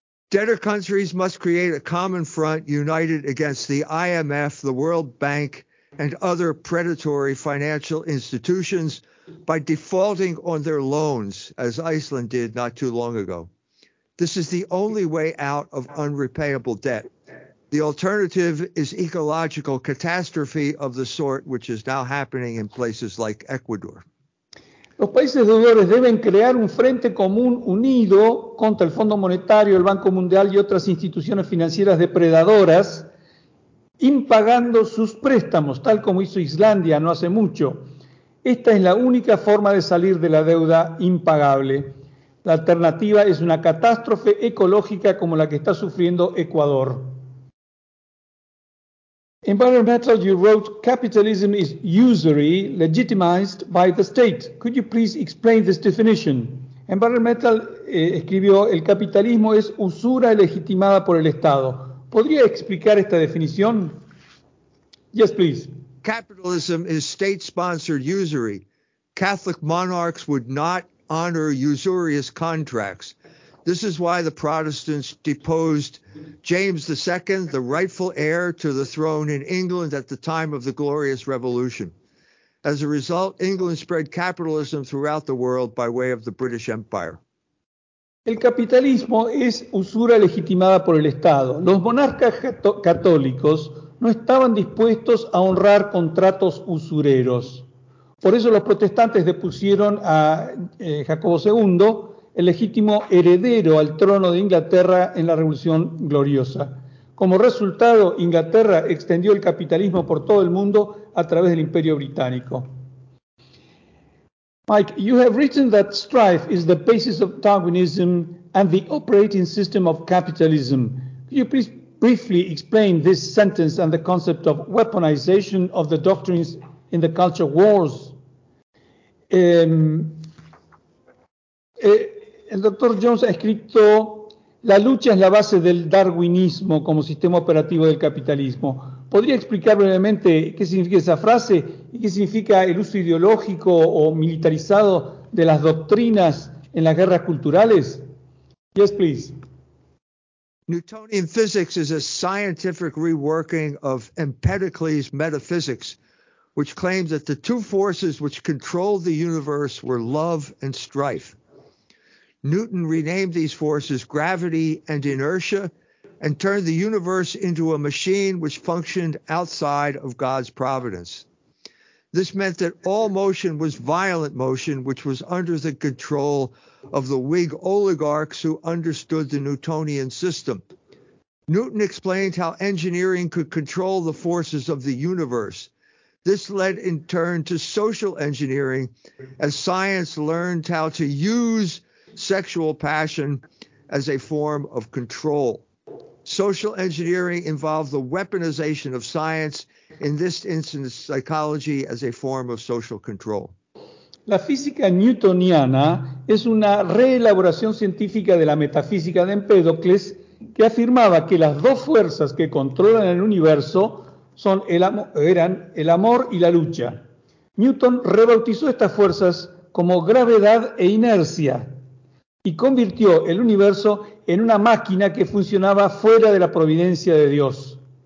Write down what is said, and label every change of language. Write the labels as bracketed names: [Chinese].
[English] Debtor countries must create a common front united against the IMF, the World Bank, and other predatory financial institutions by defaulting on their loans, as Iceland did not too long ago. This is the only way out of unrepayable debt. The alternative is ecological catastrophe of the sort which is now happening in places like Ecuador. [Spanish] Los países deudores deben crear un frente común unido contra el Fondo Monetario, el Banco Mundial y otras instituciones financieras depredadoras, impagando sus préstamos, tal como hizo Islandia no hace mucho. Esta es la única forma de salir de la deuda impagable. La alternativa es una catástrofe ecológica como la que está sufriendo Ecuador. [English] In Barrel Metal, you wrote, capitalism is usury legitimized by the state. Could you please explain this definition? [Spanish] In Barrel Metal, escribió, el capitalismo es usura legitimada por el Estado. ¿Podría explicar esta definición? [English] Yes, please. Capitalism is state-sponsored usury. Catholic monarchs would not honor usurious contracts. This is why the Protestants deposed James II, the rightful heir to the throne in England at the time of the Glorious Revolution. As a result, England spread capitalism throughout the world by way of the British Empire. [Spanish] El capitalismo es usura legitimada por el Estado. Los monarcas católicos no estaban dispuestos a honrar contratos usureros. Por eso los protestantes depusieron a Jacobo II, el legítimo heredero al trono de Inglaterra en la Revolución Gloriosa. Como resultado, Inglaterra extendió el capitalismo por todo el mundo a través del Imperio Británico. [English] Mike, you have written that strife is the basis of Darwinism and the operating system of capitalism. Could you please briefly explain this sentence and the concept of weaponization of the doctrines in the culture wars? [Spanish] El doctor Jones ha escrito, la lucha es la base del darwinismo como sistema operativo del capitalismo. ¿Podría explicar brevemente qué significa esa frase y qué significa el uso ideológico o militarizado de las doctrinas en las guerras culturales? [English] Yes, please. Newtonian physics is a scientific reworking of Empedocles' metaphysics, which claims that the two forces which controlled the universe were love and strife. Newton renamed these forces gravity and inertia and turned the universe into a machine which functioned outside of God's providence. This meant that all motion was violent motion, which was under the control of the Whig oligarchs who understood the Newtonian system. Newton explained how engineering could control the forces of the universe. This led in turn to social engineering as science learned how to use sexual passion as a form of control. Social engineering involved the weaponization of science, in this instance, psychology as a form of social control. [Spanish] La física newtoniana es una reelaboración científica de la metafísica de Empédocles, que afirmaba que las dos fuerzas que controlan el universo son eran el amor y la lucha. Newton rebautizó estas fuerzas como gravedad e inercia y convirtió el universo en una máquina que funcionaba fuera de la providencia de Dios.